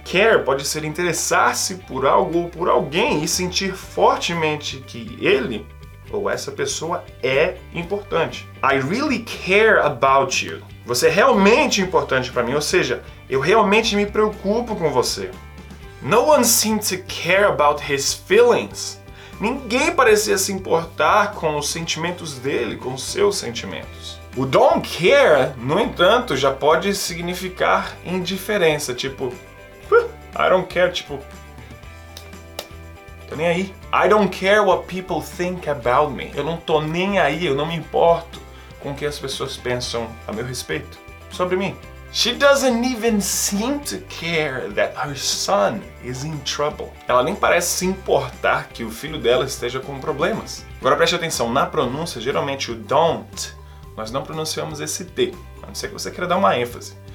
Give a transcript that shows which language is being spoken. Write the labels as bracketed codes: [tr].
[pt] Care pode ser interessar-se por algo ou por alguém e sentir fortemente que ele ou essa pessoa é importante. [en] I really care about you. [pt] Você é realmente importante para mim, ou seja, eu realmente me preocupo com você. [en] No one seemed to care about his feelings. [pt] Ninguém parecia se importar com os sentimentos dele, com os seus sentimentos. O don't care, no entanto, já pode significar indiferença, tipo, I don't care, tipo, tô nem aí. [en] I don't care what people think about me. [pt] Eu não tô nem aí, eu não me importo com o que as pessoas pensam a meu respeito, sobre mim. [en] She doesn't even seem to care that her son is in trouble. [pt] Ela nem parece se importar que o filho dela esteja com problemas. Agora preste atenção, na pronúncia, geralmente o don't, nós não pronunciamos esse T, a não ser que você queira dar uma ênfase.